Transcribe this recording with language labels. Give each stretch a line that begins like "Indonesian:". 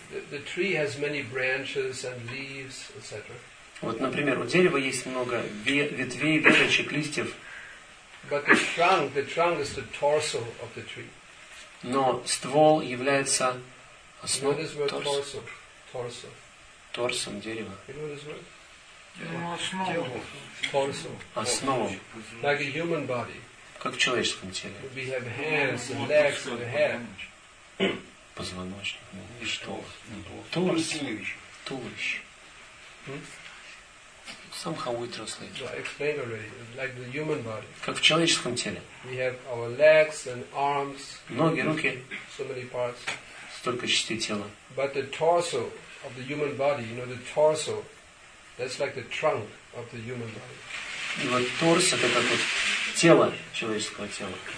English: The tree has many branches and leaves, etc.
Russian: Вот, например, у дерева есть много ветвей, веточек, листьев.
English: But the trunk is the torso of the tree.
Russian: Но ствол является основ...
English: What is the word torso?
Russian: Торсом дерева.
English: You know what is the word?
Russian: Основа. Основа.
English: Like a human body.
Russian: Как в человеческом теле.
English: We have hands and legs and head.
Russian: Позвоночник. И что? Туловище.
English: Somehow we translate. So I explained already, like the human body.
Russian: Как в человеческом теле.
English: We have our legs and arms.
Russian: Ноги, руки.
English: So many parts.
Russian: Только частей тела.
English: But the torso of the human body, you know, the torso, that's like the trunk of the human body.
Russian: И вот торс это как вот тело человеческого тела.